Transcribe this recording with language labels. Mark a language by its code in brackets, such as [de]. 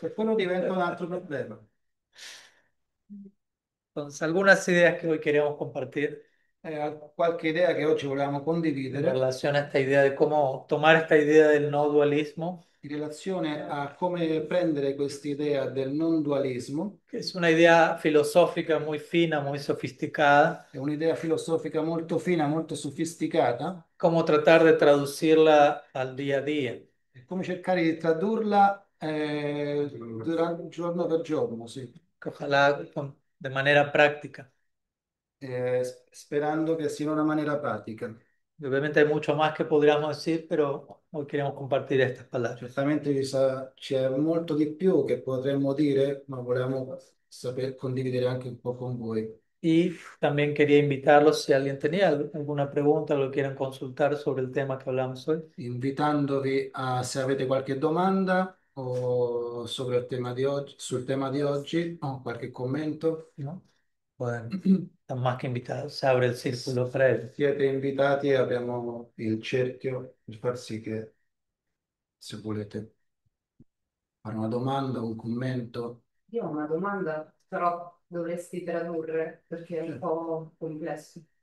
[it] quello diventa un altro problema. [es] Entonces, algunas ideas [it] che oggi [es] queríamos compartir [it] Qualche idea che oggi volevamo [es] en [it] condividere. [es] relación a esta idea de cómo tomar esta idea del no dualismo, [it] In relazione a come prendere quest'idea del non dualismo, [es] que es una idea filosófica muy fina, muy sofisticada, [it] è un'idea filosofica molto fina, molto sofisticata, [es] cómo tratar de traducirla al día a día. [it] è come cercare di tradurla giorno per giorno, sì. [es] Ojalá de manera práctica. [it] Sperando che sia in una maniera pratica. [es] Y obviamente hay mucho más que podríamos decir, pero hoy queremos compartir estas palabras. [it] Certamente c'è molto di più che potremmo dire, ma volevamo saper condividere anche un po' con voi. [es] Y también quería invitarlos si alguien tenía alguna pregunta o lo quieren consultar sobre el tema que hablamos hoy. [it] Invitandovi a se avete qualche domanda o sobre il tema di oggi, sul tema di oggi, o qualche commento. [es] No? Bueno, están más que invitados. Se abre el círculo previo. [it] Siete invitati, abbiamo il cerchio per far sì che. Se volete fare una domanda, un commento. Io ho una domanda, però dovresti tradurre perché è un po' complesso.